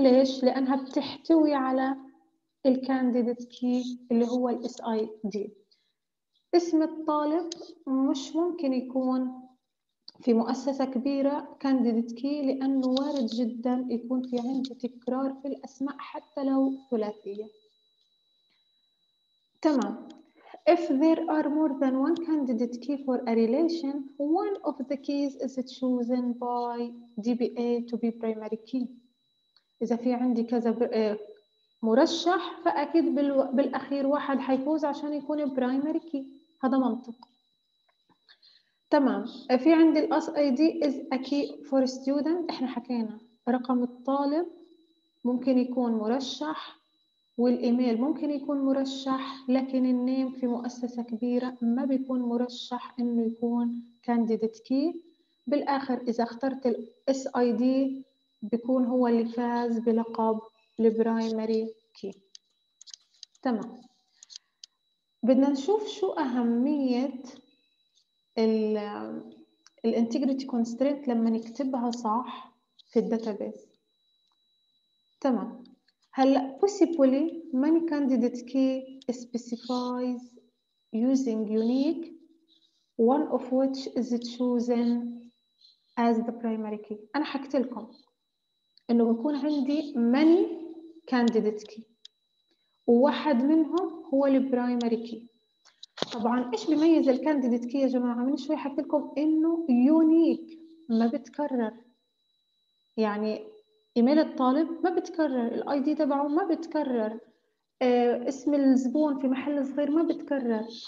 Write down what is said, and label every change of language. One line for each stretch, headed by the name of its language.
Arabic: ليش؟ لانها بتحتوي على الكانديديت كي اللي هو الاس اي دي. اسم الطالب مش ممكن يكون في مؤسسة كبيرة كانديديت كي، لأنه وارد جدا يكون في عنده تكرار في الأسماء حتى لو ثلاثية. تمام.
English: If there are more than one candidate key for a relation, one of the keys is chosen by DBA to be primary key.
Arabic: إذا في عندي كذا مرشح فأكيد بالأخير واحد حيفوز عشان يكون primary key. هذا منطق. تمام. في عندي الاس اي دي از ا كي فور ستودنت، احنا حكينا رقم الطالب ممكن يكون مرشح والايميل ممكن يكون مرشح، لكن النيم في مؤسسه كبيره ما بيكون مرشح انه يكون كانديديت كي. بالاخر اذا اخترت الاس اي دي بيكون هو اللي فاز بلقب البرايمري كي. تمام. بدنا نشوف شو اهميه الـ Integrity Constraint لما نكتبها صح في الداتابيس. تمام. هلأ
English: possibly many candidate key specifies using unique one of which is chosen as the primary key.
Arabic: أنا حكت لكم إنه بكون عندي many candidate key وواحد منهم هو الـ primary key. طبعا ايش بيميز الكانديديت كي يا جماعه؟ من شوي حكيت لكم انه يونيك ما بتكرر، يعني ايميل الطالب ما بتكرر، الاي دي تبعه ما بتكرر، اسم الزبون في محل صغير ما بتكرر.